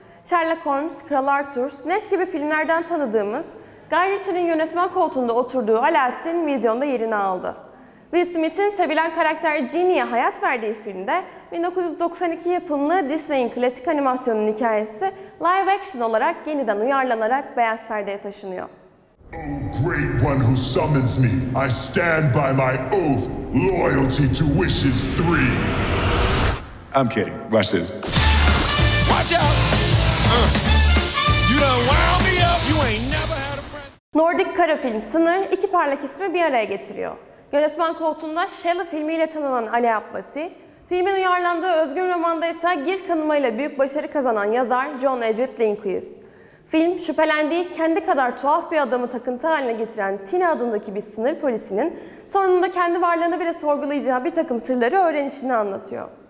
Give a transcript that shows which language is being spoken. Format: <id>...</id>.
<tr>Sherlock Holmes, Kral Arthur, SNES gibi filmlerden tanıdığımız Guy Ritchie'nin yönetmen koltuğunda oturduğu Alaaddin vizyonda yerini aldı. Will Smith'in sevilen karakter Genie'ye hayat verdiği filmde 1992 yapımlı Disney'in klasik animasyonun hikayesi live action olarak yeniden uyarlanarak beyaz perdeye taşınıyor.</tr> <en>Oh, great one who summons me, I stand by my oath. Loyalty to wishes three. I'm kidding. Watch this. Watch out. You done wound me up. You ain't never had a friend.</en> <tr>Nordic kara film Sınır iki parlak ismi bir araya getiriyor. Yönetmen koltuğunda Shelley filmiyle tanınan Ali Abbasi, filmin uyarlandığı özgün romanda ise Gir kanımıyla büyük başarı kazanan yazar John Edward Lindquist. Film, şüphelendiği kendi kadar tuhaf bir adamı takıntı haline getiren Tina adındaki bir sınır polisinin sonunda kendi varlığını bile sorgulayacağı bir takım sırları öğrenişini anlatıyor.</tr>